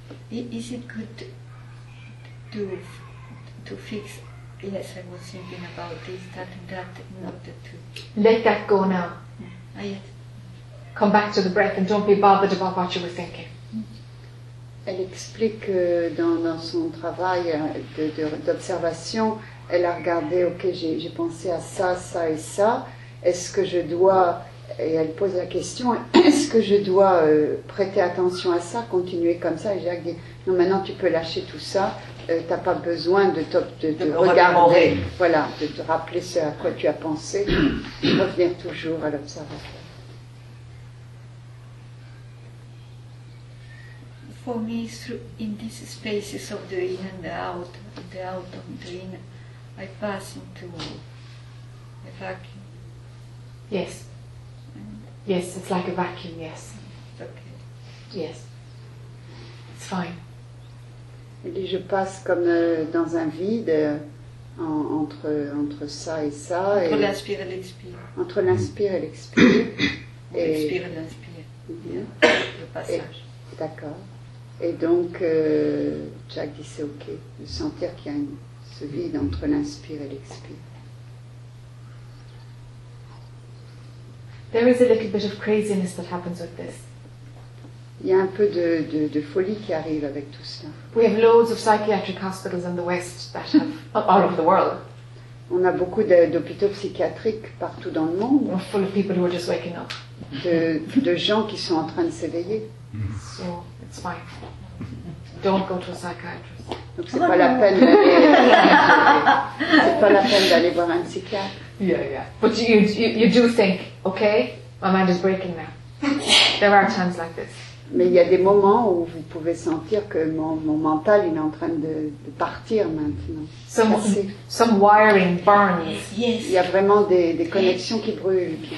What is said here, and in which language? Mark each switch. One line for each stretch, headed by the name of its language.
English: Is it good to fix? Yes, I was thinking about this, that, and that in order to. Let that go now. Ah, yes. Come back to the breath and don't be bothered about what you were thinking.
French: Elle explique dans son travail d'observation, elle a regardé, ok, j'ai pensé à ça, ça et ça. Est-ce que je dois, et elle pose la question, est-ce que je dois prêter attention à ça, continuer comme ça? Et Jacques dit, non, maintenant tu peux lâcher tout ça, t'as pas besoin de regarder, voilà, de te rappeler ce à quoi tu as pensé, revenir toujours à l'observation.
English: For me, in these spaces of the in and the out of the in, I pass into a vacuum. Yes. And yes, it's like a vacuum, yes. Okay. Yes. It's fine.
French: Il dit, je passe comme dans un vide entre ça et ça. Entre l'inspire et l'expire. Entre l'inspire et l'expire. Et l'expire et l'inspire. Le passage. D'accord. Et donc, Jack dit c'est ok, de sentir qu'il y a ce vide entre l'inspire et l'expire.
English: There is a little bit of craziness that happens with this.
French: Il y a un peu de folie qui arrive avec tout cela.
English: We have loads of psychiatric hospitals in the West that have all over the world.
French: On a beaucoup d'hôpitaux psychiatriques partout dans le monde.
English: We're full of people who are just waking up.
French: De gens qui sont en train de s'éveiller.
English: So. It's fine. Don't go to a psychiatrist.
French: Donc c'est pas la peine d'aller. C'est pas la peine d'aller voir un psychiatre.
English: Yeah. But you do think, okay, my mind is breaking now. There are times like this.
French: Mais il y a des moments où vous pouvez sentir que mon mental il est en train de partir maintenant.
English: Some wiring burns. Yes.
French: Il y a vraiment des connexions qui brûlent.